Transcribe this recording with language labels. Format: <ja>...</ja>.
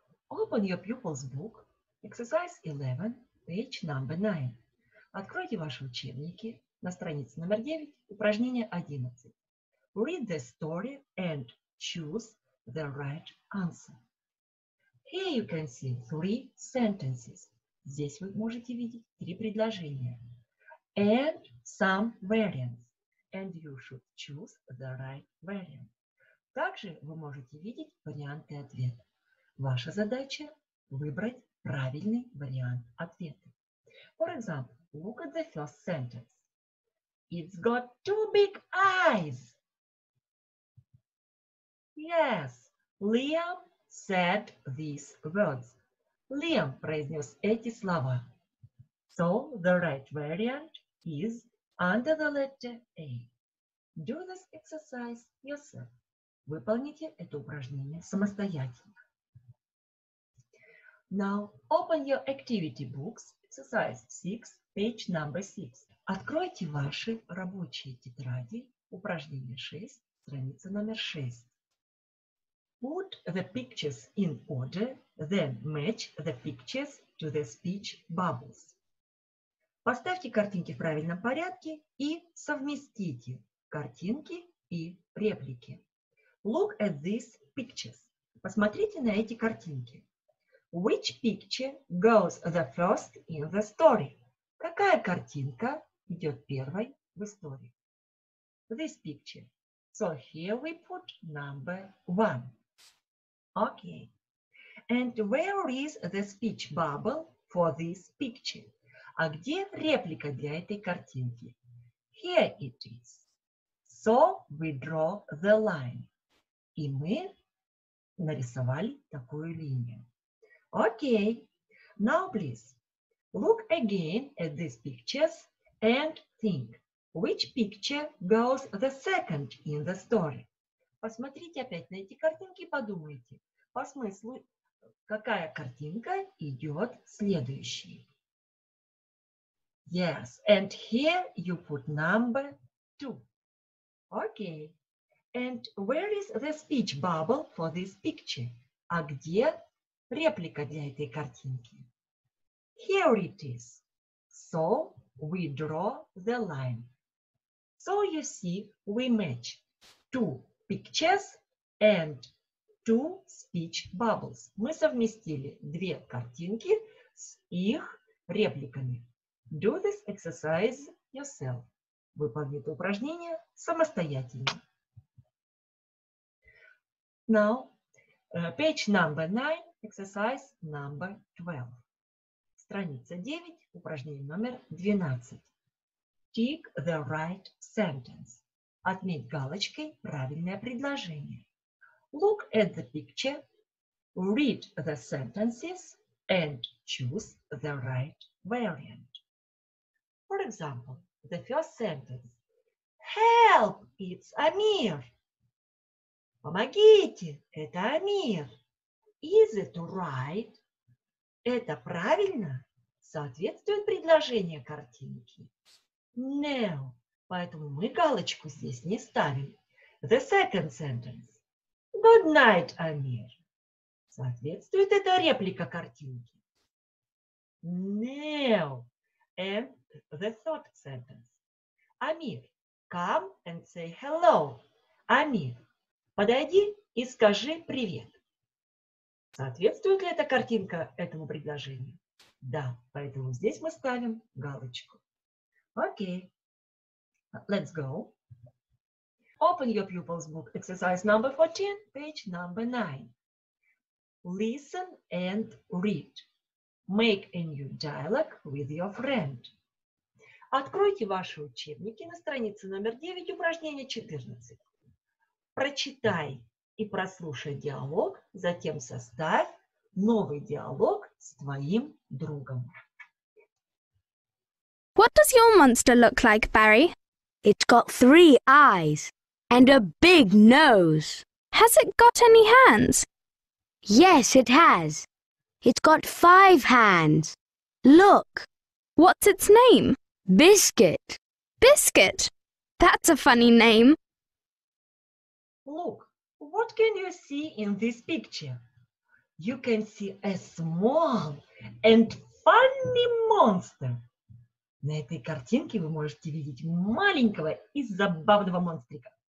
<en>Open your pupil's book, exercise 11, page number 9.</en> <ru>Откройте ваши учебники на странице номер 9, упражнение 11.</ru> <en>Read the story and choose the right answer. Here you can see three sentences.</en> <ru>Здесь вы можете видеть три предложения.</ru> <en>And some variants. And you should choose the right variant.</en> <ru>Также вы можете видеть варианты ответа. Ваша задача – выбрать правильный вариант ответа.</ru> <en>For example, look at the first sentence. It's got two big eyes. Yes, Liam said these words.</en> <ru>Liam произнес эти слова.</ru> <en>So, the right variant is under the letter A. Do this exercise yourself.</en> <ru>Выполните это упражнение самостоятельно.</ru> <en>Now, open your activity books, exercise 6, page number 6.</en> <ru>Откройте ваши рабочие тетради, упражнение 6, страница номер 6.</ru> <en>Put the pictures in order, then match the pictures to the speech bubbles.</en> <ru>Поставьте картинки в правильном порядке и совместите картинки и реплики.</ru> <en>Look at these pictures.</en> <ru>Посмотрите на эти картинки.</ru> <en>Which picture goes the first in the story?</en> <ru>Какая картинка идет первой в истории?</ru> <en>This picture. So here we put number one. Okay. And where is the speech bubble for this picture?</en> <ru>А где реплика для этой картинки?</ru> <en>Here it is. So we draw the line.</en> <ru>И мы нарисовали такую линию.</ru> <en>Okay. Now please, look again at these pictures and think. Which picture goes the second in the story?</en> <ru>Посмотрите опять на эти картинки и подумайте. По смыслу, какая картинка идет следующей?</ru> <en>Yes, and here you put number two. Okay. And where is the speech bubble for this picture?</en> <ru>А где реплика для этой картинки?</ru> <en>Here it is. So we draw the line. So you see, we match two pictures and two speech bubbles.</en> <ru>Мы совместили две картинки с их репликами.</ru> <en>Do this exercise yourself.</en> <ru>Выполни это упражнение самостоятельно.</ru> <en>Now, page number 9, exercise number 12.</en> <ru>Страница 9, упражнение номер 12.</ru> <en>Tick the right sentence.</en> <ru>Отметь галочкой правильное предложение.</ru> <en>Look at the picture, read the sentences and choose the right variant. For example, the first sentence. Help! It's Amir!</en> <ru>Помогите! Это Амир!</ru> <en>Is it right?</en> <ru>Это правильно? Соответствует предложение картинки?</ru> <en>No,</en> <ru>поэтому мы галочку здесь не ставим.</ru> <en>The second sentence. Good night, Amir.</en> <ru>Соответствует это реплика картинки?</ru> <en>No. And the third sentence. Amir, come and say hello.</en> <ru>Amir, подойди и скажи привет. Соответствует ли эта картинка этому предложению? Да, поэтому здесь мы ставим галочку.</ru> <en>Okay, let's go. Open your pupil's book, exercise number 14, page number 9. Listen and read. Make a new dialogue with your friend.</en> <ru>Откройте ваши учебники на странице номер 9, упражнение 14. Прочитай и прослушай диалог, затем составь новый диалог с твоим другом.</ru> <en>What does your monster look like, Barry? It's got three eyes and a big nose. Has it got any hands? Yes, it has. It's got five hands. Look. What's its name? Biscuit. Biscuit? That's a funny name. Look, what can you see in this picture? You can see a small and funny monster.</en> <ru>На этой картинке вы можете видеть маленького и забавного монстрика.</ru>